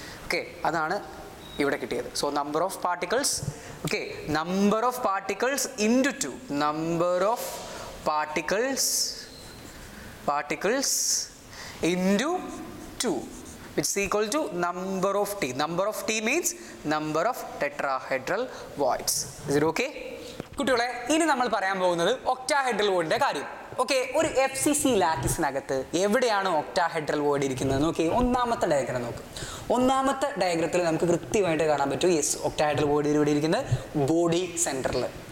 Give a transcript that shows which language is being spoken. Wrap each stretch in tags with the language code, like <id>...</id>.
<en>okay,</en> <ml>അതാണ് ഇവിടെ കിട്ടിയത്.</ml> <en>So number of particles, okay, number of particles into 2, number of particles particles into 2, which is equal to number of t. Number of t means number of tetrahedral voids. Is it okay?</en> <ml>കുട്ടികളെ, ഇനി നമ്മൾ പറയാൻ പോകുന്നത് octahedral വോയിഡിൻ്റെ കാര്യം. Okay, ഒരു F C C ലാറ്റിസിനകത്ത് എവിടെയാണ് octahedral void ഇരിക്കുന്നത്? Okay, ഒന്നാമത്തെ ഡയഗ്രം നോക്ക്. ഒന്നാമത്തെ ഡയഗ്രത്തിൽ നമുക്ക് കൃത്യമായിട്ട് കാണാൻ പറ്റും യെസ് ഒക്ടാഹെഡ്രൽ വോയിഡ് ഇവിടെ ഇരിക്കുന്നത് ബോഡി സെൻറ്ററിൽ.</ml>